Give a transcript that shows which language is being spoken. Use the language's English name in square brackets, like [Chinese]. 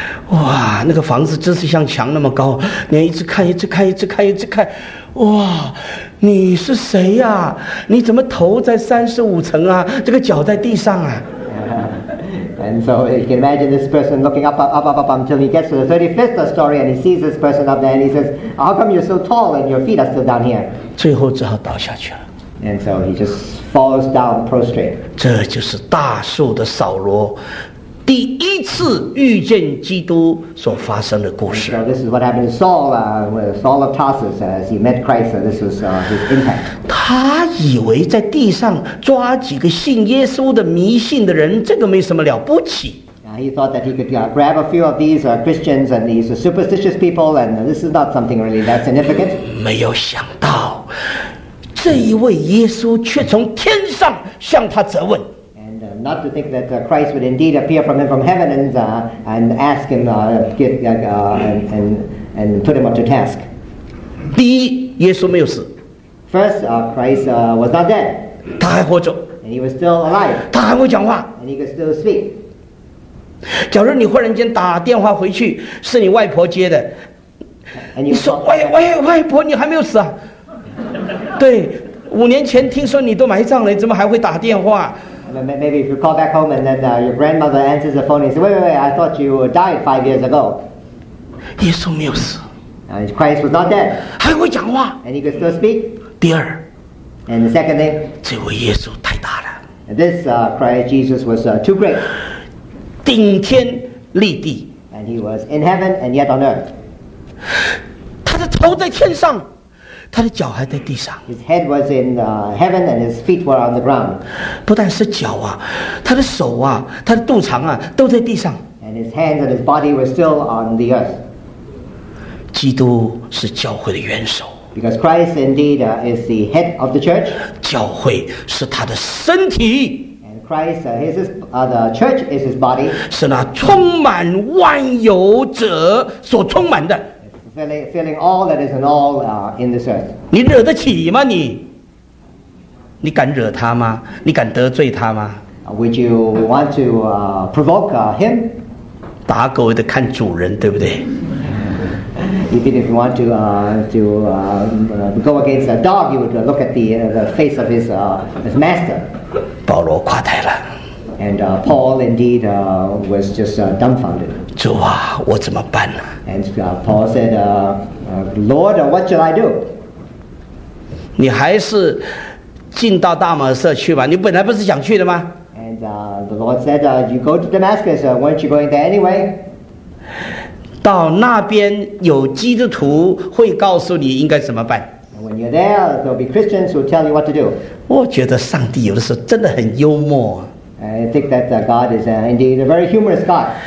[Chinese] 哇，那个房子真是像墙那么高，你一直看，一直看，一直看，一直看，哇，你是谁呀、啊？你怎么头在35层啊？这个脚在地上啊 [English] And so you can imagine this person looking up until he gets to the 35th story and he sees this person up there and he says, how come you're so tall and your feet are still down here? [Chinese] 最后只好倒下去了。 [English] And so he just falls down prostrate. [Chinese] 这就是大树的扫罗 第一次遇见基督所发生的故事。 [English] So this is what happened to Saul, Saul of Tarsus, as he met Christ. This was his impact. [Chinese] 他以为在地上抓几个信耶稣的迷信的人, 这个没什么了不起。 [English] He thought that he could grab a few of these Christians and these superstitious people, and this is not something really that significant. [Chinese] 没有想到, 这一位耶稣却从天上向他责问。 [English] Not to think that Christ would indeed appear from him from heaven and ask him and put him up to task. [Chinese] 第一，耶稣没有死。 [English] First, Christ was not dead. [Chinese] 他还活着。 [English] And he was still alive. [Chinese] 他还会讲话。 [English] And he could still speak. [Chinese] 假如你忽然间打电话回去，是你外婆接的。 [English] And you [Chinese] 你说，喂，外婆，你还没有死啊？对，5年前听说你都埋葬了，怎么还会打电话？ [English] Maybe if you call back home and then your grandmother answers the phone and says, wait, I thought you died 5 years ago. [Chinese] 耶稣没有死。 [English] Christ was not dead. [Chinese] 还会讲话。 [English] And he could still speak. [Chinese] 第二, [English] and the second thing, [Chinese] 这位耶稣太大了。 [English] This Christ Jesus was too great. [Chinese] 顶天立地。 [English] And he was in heaven and yet on earth. [Chinese] 他的头在天上。他的脚还在地上。 [English] His head was in heaven and his feet were on the ground. [Chinese] 不但是脚啊, 他的手啊, 他的肚肠啊, 都在地上。 [English] And his hands and his body were still on the earth. [Chinese] 基督是教会的元首。 [English] Because Christ indeed is the head of the church. [Chinese] 教会是他的身体。 [English] And Christ, the church is his body. [Chinese] 是那充满万有者所充满的。 [English] Filling all that is in all in this earth. [Chinese] 你惹得起吗?你敢惹他吗? 你敢得罪他吗? [English] Would you want to provoke him? [Chinese] 打狗的看主人，对不对? [English] Even if you want to go against a dog, you would look at the face of his master. [Chinese] 保罗垮台了。 [English] And Paul indeed was just dumbfounded. [Chinese] 主啊, 我怎么办呢? [English] And Paul said, Lord, what shall I do? [Chinese] 你还是进到大马色去吧, 你本来不是想去的吗? [English] And the Lord said, you go to Damascus, weren't you going there anyway? [Chinese] 到那边有基督徒会告诉你应该怎么办? [English] And when you're there, there'll be Christians who tell you what to do. [Chinese] 我觉得上帝有的时候真的很幽默。 [English] I think that God is indeed a very humorous God.